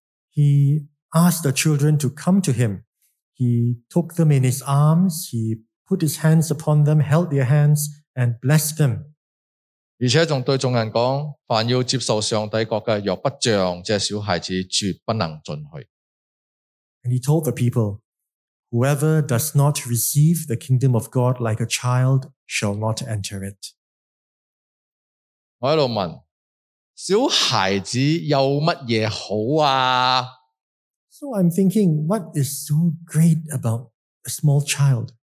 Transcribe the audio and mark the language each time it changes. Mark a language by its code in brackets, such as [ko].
[en] He asked the children to come to him. He took them in his arms, he put his hands upon them, held their hands, and blessed them. [zh] 而且还对众人说,凡要接受上帝国的,若不像这小孩子,绝不能进去。 [en] And he told the people, whoever does not receive the kingdom of God like a child shall not enter it. [zh] 我在问,小孩子有什么好啊? [en] So I'm thinking, what is so great about a small child?